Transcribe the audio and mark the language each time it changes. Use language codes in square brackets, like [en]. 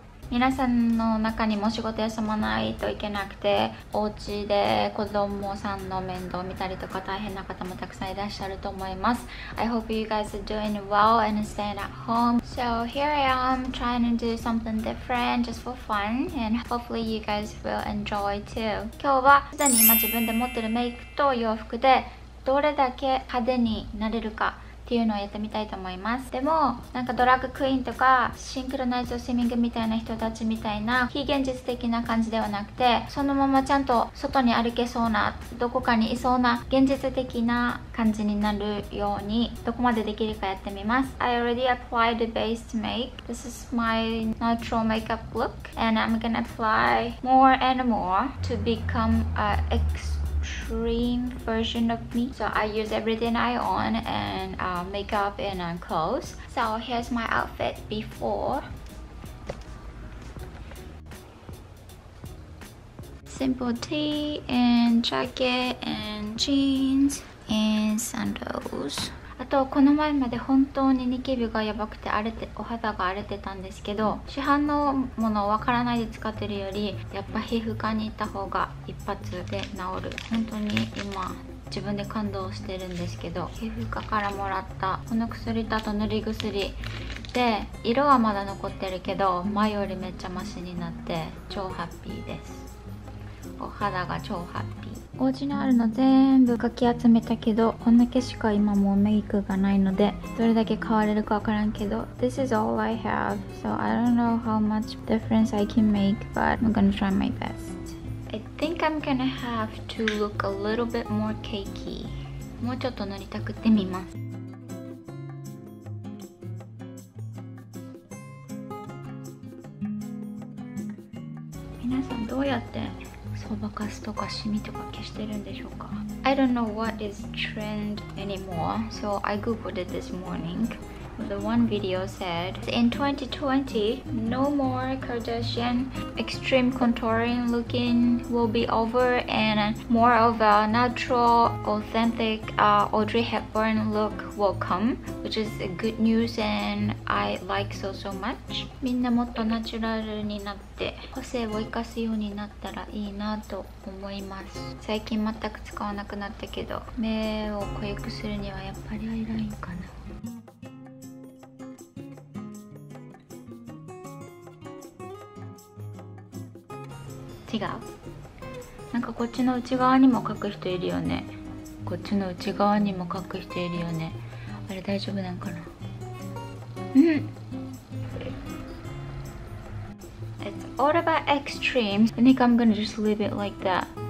[ja] 皆さんの中にも仕事休まないといけなくて、お家で子供さんの面倒を見たりとか大変な方もたくさんいらっしゃると思います。 [en] I hope you guys are doing well and staying at home. So here I am trying to do something different just for fun and hopefully you guys will enjoy too. [ja] 今日はすでに今自分で持ってるメイクと洋服でどれだけ派手になれるかっていうのをやってみたいと思います。でもなんかドラッグクイーンとかシンクロナイズドスイミングみたいな人たちみたいな非現実的な感じではなくて、そのままちゃんと外に歩けそうな、どこかにいそうな現実的な感じになるようにどこまでできるかやってみます。 [en] I already applied the base make. This is my natural makeup look. And I'm gonna apply more and more to become a extreme version of me. So I use everything I own and makeup and clothes. So here's my outfit before. Simple tee and jacket and jeans and sandals. [ja] あとこの前まで本当にニキビがやばくて荒れて、お肌が荒れてたんですけど、市販のものをわからないで使ってるよりやっぱ皮膚科に行った方が一発で治る。本当に今自分で感動してるんですけど、皮膚科からもらったこの薬とあと塗り薬で色はまだ残ってるけど、前よりめっちゃマシになって超ハッピーです。お肌が超ハッピー。お家にあるの全部かき集めたけど、こんだけしか今もうメイクがないのでどれだけ変われるかわからんけど、 [en] This is all I have, so I don't know how much difference I can make, but I'm gonna try my best. I think I'm gonna have to look a little bit more cakey. [ja] もうちょっと塗りたくってみます。皆さんどうやってそばかすとかシミとか消してるんでしょうか。 [en] I don't know what is trend anymore, so I googled it this morning. The one video said, in 2020, no more Kardashian extreme contouring looking will be over and more of a natural, authentic, Audrey Hepburn look will come, which is good news and I like so, so much. [ja] みんなもっとナチュラルになって個性を生かすようになったらいいなと思います。最近全く使わなくなったけど、目を濃くするにはやっぱりアイラインかな。違う、なんかこっちの内側にも描く人いるよね。こっちの内側にも描く人いるよね。あれ大丈夫なんかな。うん、 [en] all about extremes. I think I'm gonna just leave it like that.